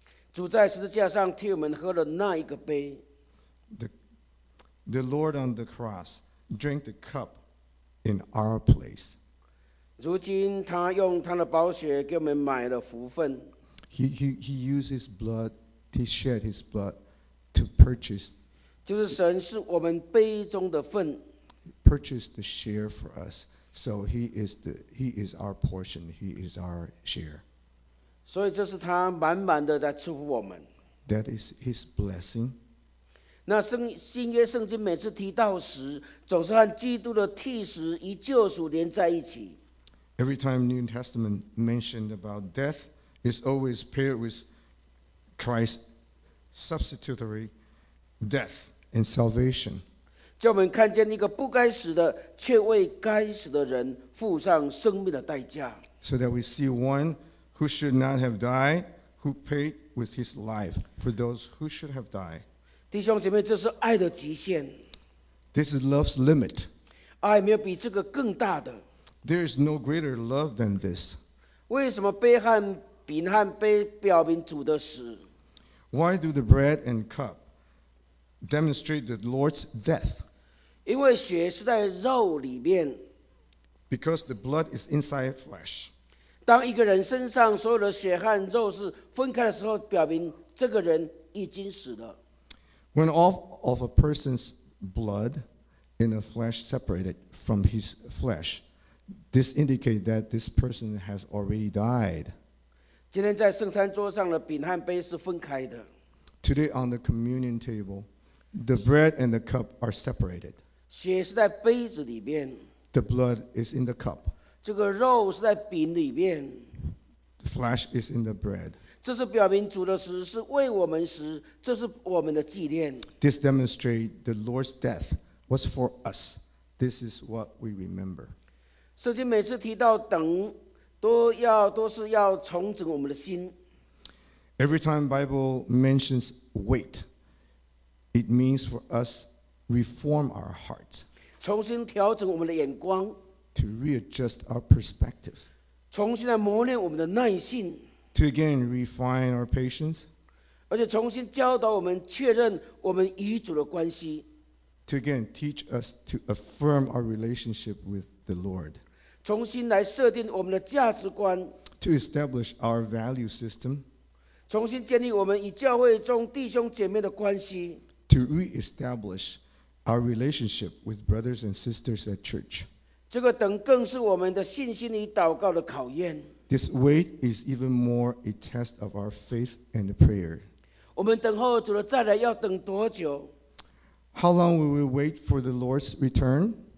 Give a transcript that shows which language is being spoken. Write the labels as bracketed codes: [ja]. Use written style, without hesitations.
[zh] 主在十字架上替我们喝了那一个杯。 [en] The Lord on the cross drank the cup in our place. [zh] 如今他用他的宝血给我们买了福分。 [en] He used his blood, he shed his blood to purchase. [zh] 就是神是我们杯中的份。 [en] Purchased the share for us, so he is our portion, he is our share. [zh] 所以这是他满满的在祝福我们。 [en] That is his blessing. [zh] 那新约圣经每次提到死，总是和基督的替死与救赎连在一起。 [en] Every time New Testament mentioned about death, it's always paired with Christ's substitutory death and salvation. [zh] 叫我们看见一个不该死的，却为该死的人付上生命的代价。 [en] So that we see one who should not have died, who paid with his life for those who should have died. [zh] 弟兄姐妹，这是爱的极限。 [en] This is love's limit. [zh] 爱没有比这个更大的。 [en] There is no greater love than this. [zh] 为什么杯和饼和杯表明主的死 [en] ？Why do the bread and cup? Demonstrate the Lord's death. [zh] 因为血是在肉里面。 [en] Because the blood is inside flesh. [zh] 当一个人身上所有的血和肉是分开的时候，表明这个人已经死了。 [en] When all of a person's blood in a flesh separated from his flesh, this indicates that this person has already died. [zh] 今天在圣餐桌上的饼和杯是分开的。 [en] Today on the communion table. The bread and the cup are separated. [zh] 血是在杯子里面。 [en] The blood is in the cup. [zh] 这个肉是在饼里面。 [en] The flesh is in the bread. [zh] 这是表明主的死是为我们死，这是我们的纪念。 [en] This demonstrates the Lord's death was for us. This is what we remember. [zh] 圣经每次提到等，都是要重整我们的心。 [en] Every time Bible mentions wait. It means for us reform our hearts, [zh] 重新调整我们的眼光 [en] to readjust our perspectives, [zh] 重新来磨练我们的耐性 [en] to again refine our patience, [zh] 而且重新教导我们确认我们与主的关系 [en] to again teach us to affirm our relationship with the Lord, [zh] 重新来设定我们的价值观 [en] to establish our value system, [zh] 重新建立我们与教会中弟兄姐妹的关系。 [en] To reestablish our relationship with brothers and sisters at church. This wait is even more a test of our faith and prayer. How long will we wait for the Lord's return?